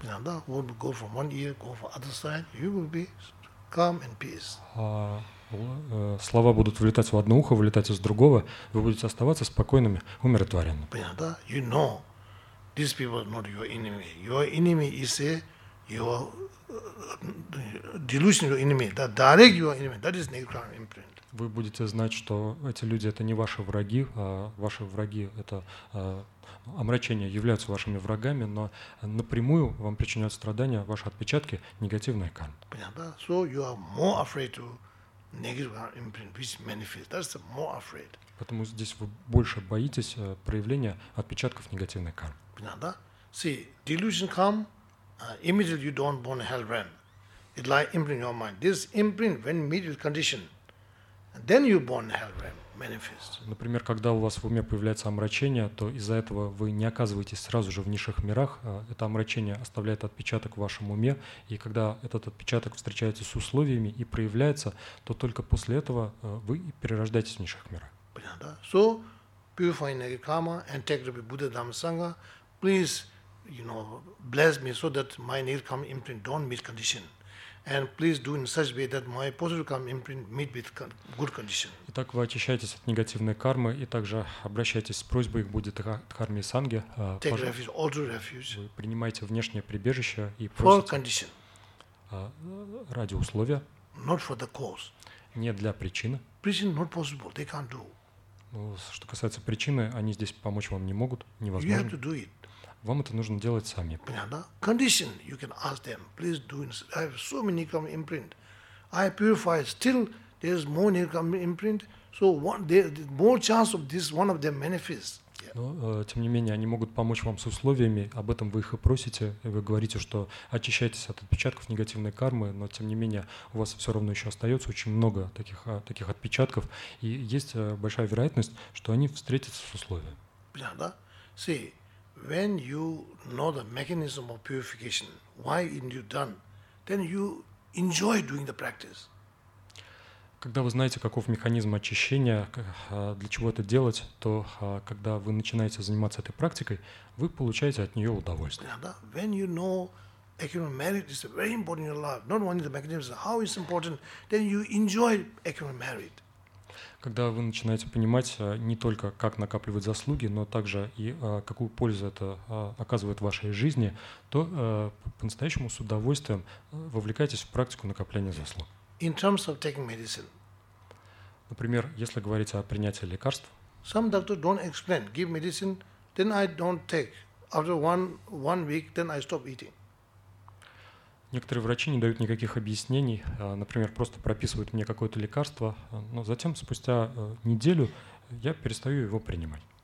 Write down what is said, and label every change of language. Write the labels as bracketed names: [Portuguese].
[English] Yeah, да, would go from one ear, go from other side, you will be calm and peace. [Russian] Слова будут вылетать в одно ухо, вылетать из другого, вы будете оставаться спокойными, умиротворенными. [English] Yeah, да, you know, these people are not your enemy. Your enemy is a your delusion your enemy, that direct your enemy, that is negative karma imprint. [Russian] Вы будете знать, что эти люди это не ваши враги, а ваши враги это омрачение являются вашими врагами, но напрямую вам причиняют страдания ваши отпечатки негативной кармы. [English] So you are more afraid to negative karma imprint which manifests. That's the more afraid. [Russian] Поэтому здесь вы больше боитесь проявления отпечатков негативной кармы. [English] See, delusion come. Immediately you don't born in hell realm. It lies imprint in your mind. This imprint when meet with condition, then you born in hell realm manifest. [Russian] Например, когда у вас в уме появляется омрачение, то из-за этого вы не оказываетесь сразу же в низших мирах. Это омрачение оставляет отпечаток в вашем уме, и когда этот отпечаток встречается с условиями и проявляется, то только после этого вы и перерождаетесь в низших мирах. Понятно? [English] So purify negative karma and take the Buddha Dhamma Sangha, please. You know, bless me so that my negative karma imprint don't meet condition, and please do in such way that my positive karma imprint meet with good condition. [Russian] Итак, вы очищаетесь от негативной кармы и также обращаетесь с просьбой к Будде Дхарме и Санге. [English] Take refuge, also refuge. [Russian] Вы принимаете внешнее прибежище и просите. [English] For condition. [Russian] Ради условия. [English] Not for the cause. [Russian] Не для причины. Причина [English] not possible. They can't do. [Russian] Что касается причины, они здесь помочь вам не могут, невозможно. [English] You have to do it. [Russian] Вам это нужно делать сами. Понятно? [English] Condition, you can ask them, please do it. I have so many karma imprint. I purify, still there is more karma imprint. So one, more chance of this one of them manifests. [Russian] Но, тем не менее, они могут помочь вам с условиями, об этом вы их и просите, и вы говорите, что очищаетесь от отпечатков негативной кармы, но, тем не менее, у вас все равно еще остается очень много таких отпечатков, и есть большая вероятность, что они встретятся с условиями. Да? [English] See, when you know the mechanism of purification, why you done, then you enjoy doing the practice. [Russian] Когда вы знаете, каков механизм очищения, для чего это делать, то когда вы начинаете заниматься этой практикой, вы получаете от нее удовольствие. Когда вы начинаете понимать не только, как накапливать заслуги, но также и какую пользу это оказывает в вашей жизни, то по-настоящему с удовольствием вовлекаетесь в практику накопления заслуг. [English] In terms of taking medicine, [Russian] например, если говорить о принятии лекарств. [English] Some doctors don't explain, give medicine, then I don't take. After one week, then I stop eating. [Russian] Некоторые врачи не дают никаких объяснений, например, просто прописывают мне какое-то лекарство, но затем спустя неделю я перестаю его принимать.